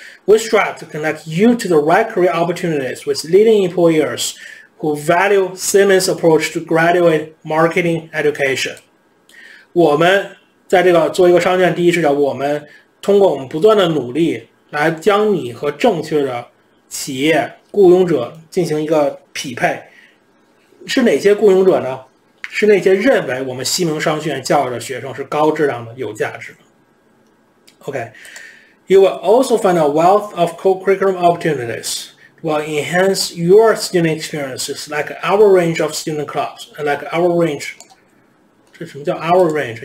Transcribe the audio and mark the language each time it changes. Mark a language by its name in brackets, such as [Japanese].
[English] We strive to connect you to the right career opportunities with leading employers who value Simmons' approach to graduate marketing education. [Chinese] 我们在这个做一个商店第一视角，我们通过我们不断的努力来将你和正确的企业雇佣者进行一个匹配。是哪些雇佣者呢？是那些认为我们西蒙商学院教育的学生是高质量的、有价值的。 [English] OK。 You will also find a wealth of co-curriculum opportunities will enhance your student experiences like our range of student clubs, like our range, [Chinese] 这什么叫 [English] our range?